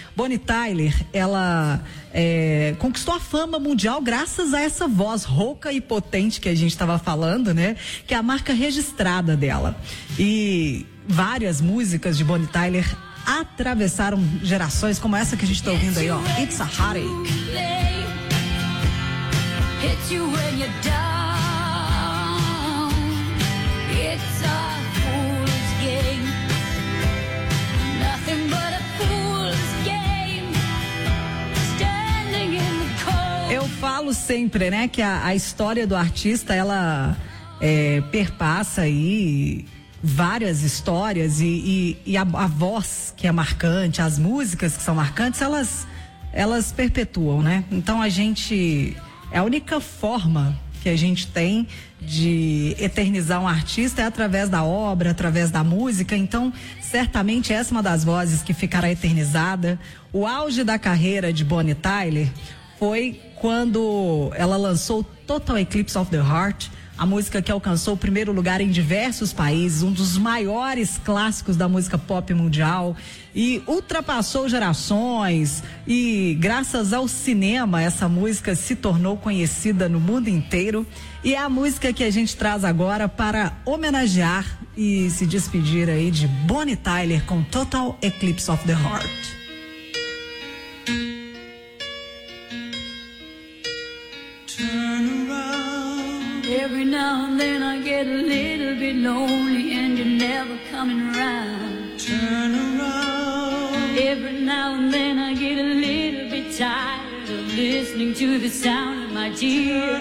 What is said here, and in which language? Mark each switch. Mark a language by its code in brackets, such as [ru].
[pt] Bonnie Tyler, ela conquistou a fama mundial graças a essa voz rouca e potente que a gente estava falando, né? Que é a marca registrada dela. E várias músicas de Bonnie Tyler atravessaram gerações, como essa que a gente está ouvindo aí, ó. [en] It's a Heartache. Hits you when you're down. It's a fool's game. Nothing but a fool's game. Standing in the cold. [pt] Eu falo sempre, né, que a história do artista, ela perpassa aí várias histórias e a voz que é marcante, as músicas que são marcantes, elas perpetuam, né? Então a gente... É a única forma que a gente tem de eternizar um artista é através da obra, através da música. Então, certamente essa é uma das vozes que ficará eternizada. O auge da carreira de Bonnie Tyler foi quando ela lançou Total Eclipse of the Heart, a música que alcançou o primeiro lugar em diversos países, um dos maiores clássicos da música pop mundial, e ultrapassou gerações, e graças ao cinema essa música se tornou conhecida no mundo inteiro, e é a música que a gente traz agora para homenagear e se despedir aí de Bonnie Tyler com Total Eclipse of the Heart. [en] Every now and then I get a little bit lonely and you're never coming around. Turn around. Every now and then I get a little bit tired of listening to the sound of my tears.